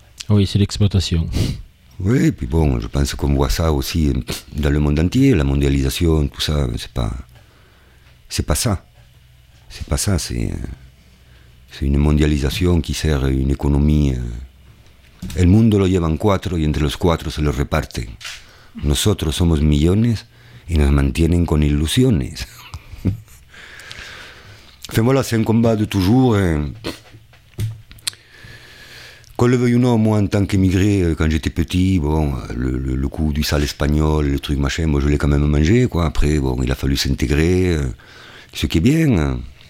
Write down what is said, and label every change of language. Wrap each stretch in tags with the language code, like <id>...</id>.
<fr>Oui, c'est l'exploitation. Oui, et puis bon, je pense qu'on voit ça aussi dans le monde entier, la mondialisation, tout ça, c'est pas ça. C'est pas ça, c'est une mondialisation qui sert une économie.</fr> <es>El mundo lo llevan cuatro y entre los cuatro se lo reparten. Nosotros somos millones y nos mantienen con ilusiones.</es> <fr>Enfin voilà, c'est un combat de toujours. Hein. Qu'on le veuille ou non, moi en tant qu'émigré, quand j'étais petit, bon, le coup du sale espagnol, le truc machin, moi je l'ai quand même mangé, quoi. Après, bon, il a fallu s'intégrer, ce qui est bien.</fr>